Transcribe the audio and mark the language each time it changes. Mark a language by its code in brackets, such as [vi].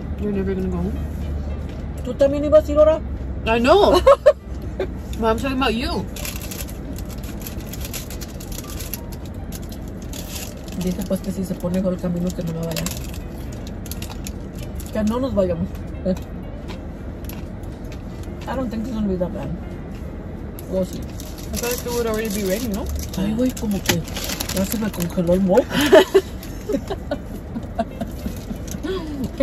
[en] You're never gonna go home. [es] Tú también ibas a ir ahora. [en] I know. But I'm talking about you. [es] Dice pues que si se pone el camino que no me vaya. Que no nos vayamos. [en] I don't think it's gonna be that bad. We'll see. I feel like it would already be ready, no? [es] Ay, güey, como que ya se me congeló el moco.